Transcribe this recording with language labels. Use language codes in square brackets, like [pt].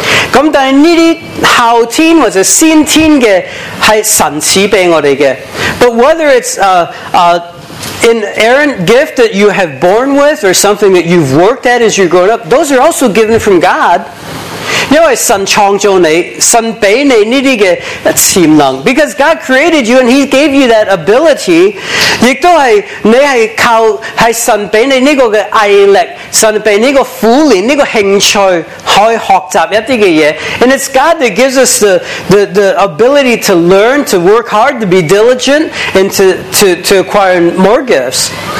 [yue] 咁但系呢啲后天或者先天嘅系神赐俾我哋嘅。 [en] But whether it's an inerrant gift that you have born with or something that you've worked at as you grow up, those are also given from God. [yue] 因为神创造你，神俾你呢啲嘅潜能。 [en] Because God created you and He gave you that ability， [yue] 亦都系你系靠系神俾你呢个嘅毅力，神俾呢个苦练呢个兴趣可以学习一啲嘅嘢。 [en] And it's God that gives us the ability to learn, to work hard, to be diligent, and to acquire more gifts。